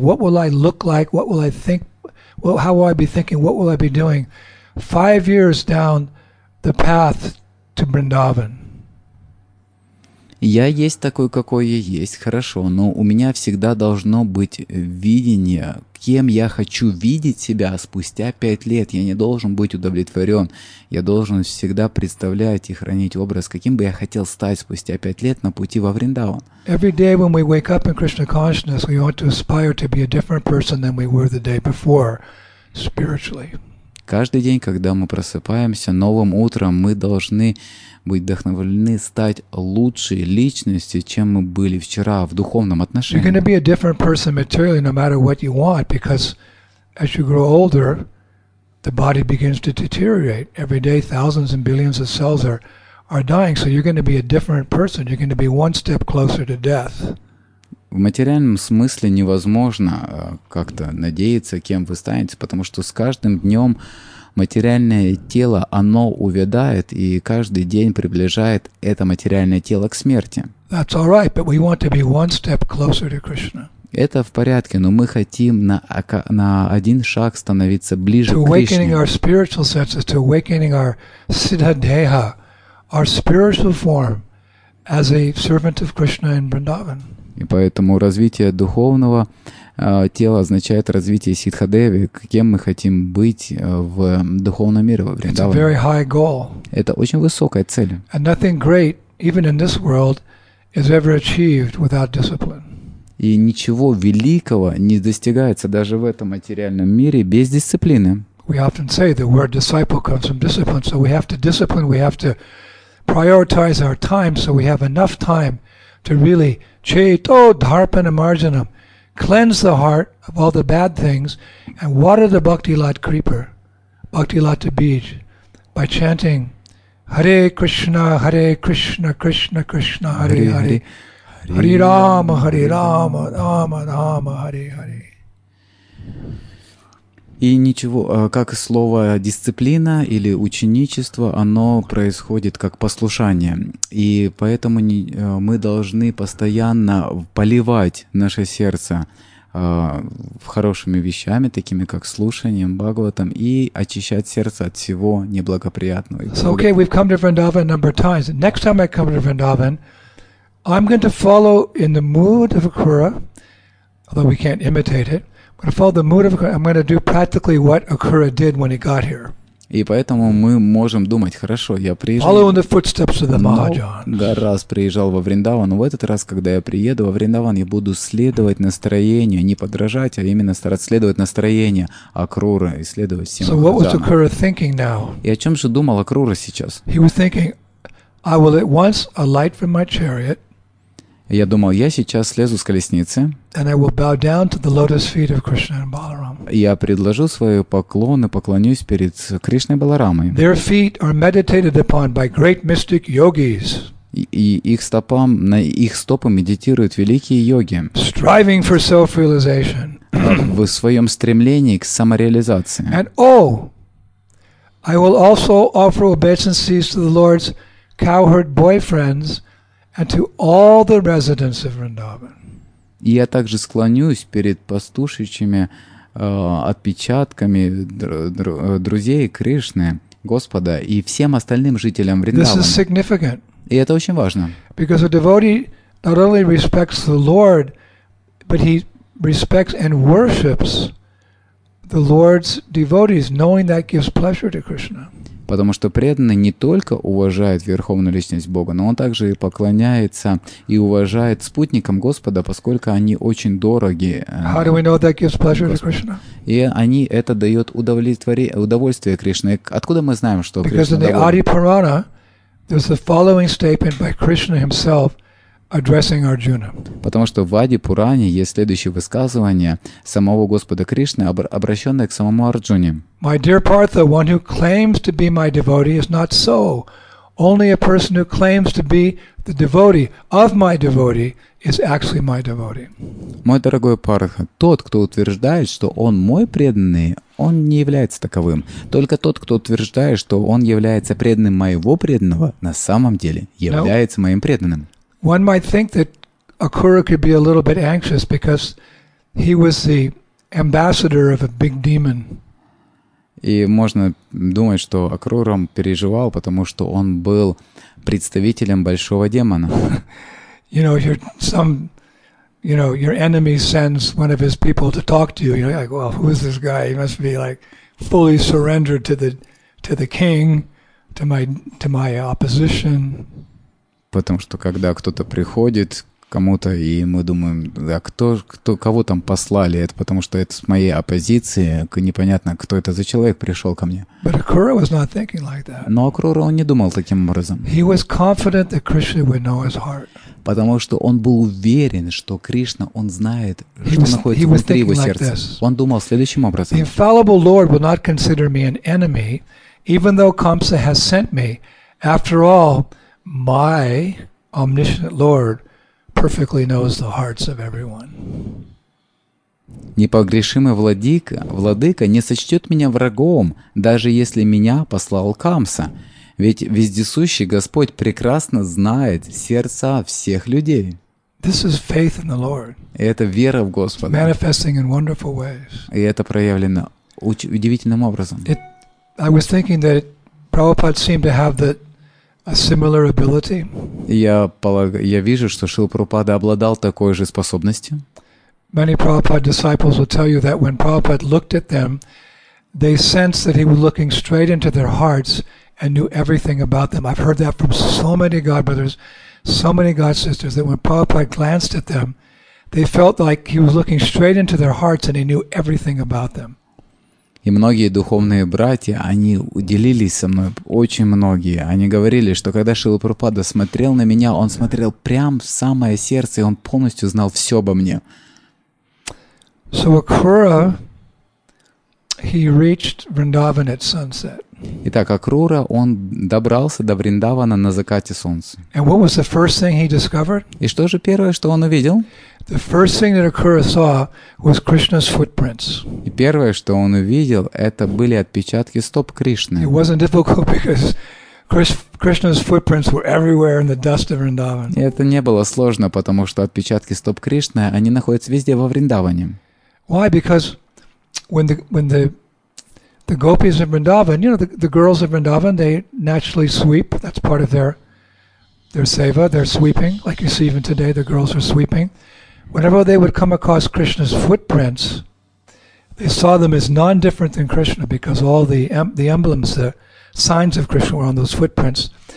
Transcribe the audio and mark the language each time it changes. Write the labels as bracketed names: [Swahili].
[English] What will I look like? What will I think? Well, how will I be thinking? What will I be doing 5 years down the path to Vrindavan? [Russian] Я есть такой, какой я есть, хорошо, но у меня всегда должно быть видение, кем я хочу видеть себя спустя 5 лет. Я не должен быть удовлетворен. Я должен всегда представлять и хранить образ, каким бы я хотел стать спустя 5 лет на пути во Вриндаван. [English] Every day when we wake up in Krishna consciousness, we want to aspire to be a different person than we were the day before, spiritually. [Russian] Каждый день, когда мы просыпаемся новым утром, мы должны быть вдохновлены стать лучшей личностью, чем мы были вчера в духовном отношении. [English] You're going to be a different person materially, no matter what you want, because as you grow older, the body begins to deteriorate. Every day, thousands and billions of cells are dying. So you're going to be a different person. You're going to be one step closer to death. [Russian] В материальном смысле невозможно как-то надеяться, кем вы станете, потому что с каждым днем материальное тело, оно увядает, и каждый день приближает это материальное тело к смерти. [English] That's all right, but we want to be one step closer to Krishna. [Russian] Это в порядке, но мы хотим на один шаг становиться ближе к Кришне. [English] To awakening our spiritual senses, to awakening our siddha-deha, our spiritual form as a servant of Krishna in Vrindavan. [Russian] И поэтому развитие духовного тела означает развитие ситхадеви, кем мы хотим быть в духовном мире во Вриндаване. [English] It's a very high goal. [Russian] Это очень высокая цель. [English] And nothing great, even in this world, is ever achieved without discipline. [Russian] И ничего великого не достигается даже в этом материальном мире без дисциплины. [English] We often say the word disciple comes from discipline, so we have to discipline, we have to prioritize our time so we have enough time to really [Sanskrit] chaito dharpana marjanam, [English] cleanse the heart of all the bad things and water the bhakti lata creeper, bhakti lata bij, by chanting Hare Krishna, Krishna Krishna, Hare Hare, Hare, Hare Rama, Hare Rama, Rama Rama, Hare Hare. [Russian] И ничего, как слово дисциплина или ученичество, оно происходит как послушание. И поэтому мы должны постоянно поливать наше сердце хорошими вещами, такими как слушанием, Бхагаватам, и очищать сердце от всего неблагоприятного. [English] So, okay, we've come to Vrindavan a number of times. Next time I come to Vrindavan, I'm going to follow in the mood of Akura, although we can't imitate it. I'm going to follow the mood of Akura. I'm going to do practically what Akura did when he got here. [Russian] И поэтому мы можем думать, хорошо, я приезжал. [English] Follow in the footsteps of the Mahajans. [Russian] Много раз приезжал во Вриндаван, но в этот раз, когда я приеду во Вриндаван, я буду следовать настроению, не подражать, а именно стараться следовать настроению Акуры и следовать всем. [English] So what was Akura thinking now? [Russian] И о чем же думал Акура сейчас? [English] He was thinking, I will at once alight from my chariot. [Russian] Я думал, я сейчас слезу с колесницы. [English] And I will bow down to the lotus feet of Krishna and Balaram. [Russian] Я предложу свои поклоны, поклонюсь перед Кришной Баларамой. [English] Their feet are meditated upon by great mystic yogis. [Russian] И их стопам, на их стопы медитируют великие йоги. [English] Striving for self-realization. [Russian] В своем стремлении к самореализации. [English] And oh, I will also offer obeisances to the Lord's cowherd boyfriends. And to all the residents of Vrindavan. [Russian] Я также склонюсь перед пастушечьими отпечатками друзей Кришны, Господа, и всем остальным жителям Вриндавана. [English] This is significant. [Russian] И это очень важно. [English] Because a devotee not only respects the Lord, but he respects and worships the Lord's devotees, knowing that gives pleasure to Krishna. [Russian] Потому что преданный не только уважает Верховную Личность Бога, но он также и поклоняется и уважает спутникам Господа, поскольку они очень дороги. [English] How do we know that gives pleasure to Krishna? [Russian] И они это дает удовольствие Кришне. Откуда мы знаем, что [English] Because [Russian] Кришна доволен? [English] Because in the Adi Purana, there's the following statement by Krishna himself addressing Arjuna. [Russian] Потому что в Ади Пуране есть следующее высказывание самого Господа Кришны, обращенное к самому Арджуне. [English] My dear Partha, one who claims to be my devotee is not so. Only a person who claims to be the devotee of my devotee is actually my devotee. [Russian] Мой дорогой Партха, тот, кто утверждает, что он мой преданный, он не является таковым. Только тот, кто утверждает, что он является преданным моего преданного, на самом деле является моим преданным. [English] One might think that Akura could be a little bit anxious because he was the ambassador of a big demon. [Russian] И можно думать, что Акура переживал, потому что он был представителем большого демона. [English] You know, your enemy sends one of his people to talk to you. You're like, well, who is this guy? He must be like fully surrendered to the king, to my opposition. [Russian] Потому что когда кто-то приходит кому-то, и мы думаем, да кто, кого там послали, это потому что это с моей оппозиции, непонятно, кто это за человек пришел ко мне. [English] But Akura was not thinking like that. [Russian] Но Акрура, он не думал таким образом. [English] He was confident that Krishna would know his heart. [Russian] Потому что он был уверен, что Кришна, он знает, что находится внутри его сердца. Он думал следующим образом. [English] The infallible Lord will not consider me an enemy, even though Kamsa has sent me. After all, my omniscient Lord perfectly knows the hearts of everyone. [Russian] Непогрешимый владыка не сочтет меня врагом, даже если меня послал Камса. Ведь вездесущий Господь прекрасно знает сердца всех людей. [English] This is faith in the Lord. [Russian] Это вера в Господа. [English] Manifesting in wonderful ways. [Russian] И это проявлено удивительным образом. [English] I was thinking that Prabhupada seemed to have the a similar ability. [Russian] Я вижу, что Шрила Прабхупада обладал такой же способностью. [English] Many Prabhupada disciples will tell you that when Prabhupada looked at them, they sensed that he was looking straight into their hearts and knew everything about them. I've heard that from so many God brothers, so many God sisters, that when Prabhupada glanced at them, they felt like he was looking straight into their hearts and he knew everything about them. [Russian] И многие духовные братья, они делились со мной, очень многие. Они говорили, что когда Шрила Прабхупада смотрел на меня, он смотрел прямо в самое сердце, и он полностью знал все обо мне. [English] So Akrura, he reached Vrindavan at sunset. [Russian] Итак, Акрура, он добрался до Вриндавана на закате солнца. [English] And what was the first thing he discovered? [Russian] И что же первое, что он увидел? [English] The first thing that Akrura saw was Krishna's footprints. [Russian] И первое, что он увидел, это были отпечатки стоп Кришны. [English] It wasn't difficult because Krishna's footprints were everywhere in the dust of Vrindavan. [Russian] И это не было сложно, потому что отпечатки стоп Кришны, они находятся везде во Вриндаване. [English] Why? Because when the gopis of Vrindavan, you know, the girls of Vrindavan, they naturally sweep. That's part of their seva. They're sweeping, like you see even today, the girls are sweeping. Whenever they would come across Krishna's footprints, they saw them as non-different than Krishna because all the emblems, the signs of Krishna were on those footprints.